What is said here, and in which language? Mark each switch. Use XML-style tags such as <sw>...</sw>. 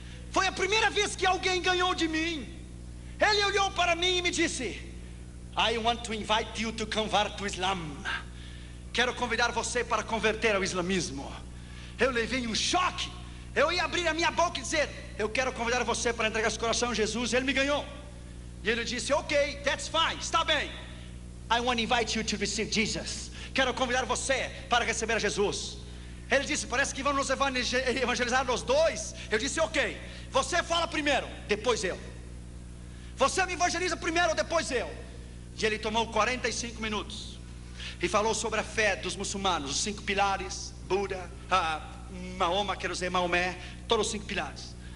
<pt>Foi a primeira vez que alguém ganhou de mim. Ele olhou para mim e me disse:</pt> <en>I want to invite you to convert to Islam.</en> <pt>Quero convidar você para converter ao islamismo. Eu levei um choque. Eu ia abrir a minha boca e dizer: eu quero convidar você para entregar seu coração a Jesus. Ele me ganhou. E ele disse:</pt> <en>ok, that's fine,</en> <pt>está bem.</pt> <en>I want to invite you to receive Jesus.</en> <pt>Quero convidar você para receber a Jesus. Ele disse: parece que vamos evangelizar nós dois. Eu disse: ok, você fala primeiro, depois eu. Você me evangeliza primeiro, depois eu. E ele tomou 45 minutos e falou sobre a fé dos muçulmanos, os cinco pilares, Buda, Maoma, quero dizer Maomé, todos os cinco pilares.</pt>